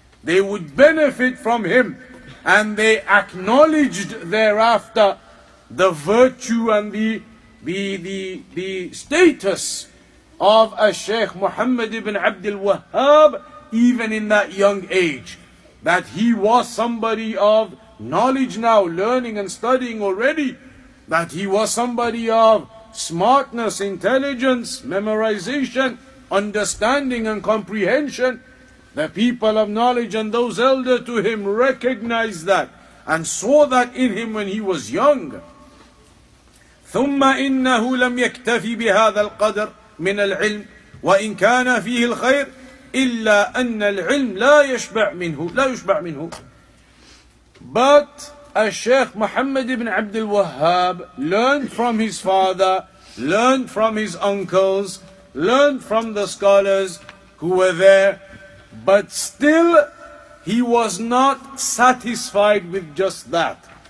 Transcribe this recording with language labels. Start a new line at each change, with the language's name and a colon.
English: They would benefit from him, and they acknowledged thereafter the virtue and the status of a Shaykh Muhammad ibn Abdul Wahhab, even in that young age, that he was somebody of knowledge now, learning and studying already, that he was somebody of smartness, intelligence, memorization, understanding and comprehension. The people of knowledge and those elder to him recognized that and saw that in him when he was young.
Arabic: ثُمَّ إِنَّهُ لَمْ يَكْتَفِ بِهَذَا الْقَدْرِ من العلم وإن كان فيه الخير إلا أن العلم لا يشبع منه.
English: But Al-Shaykh Muhammad ibn Abdul Wahhab learned from his father, learned from his uncles, learned from the scholars who were there, but still he was not satisfied with just that.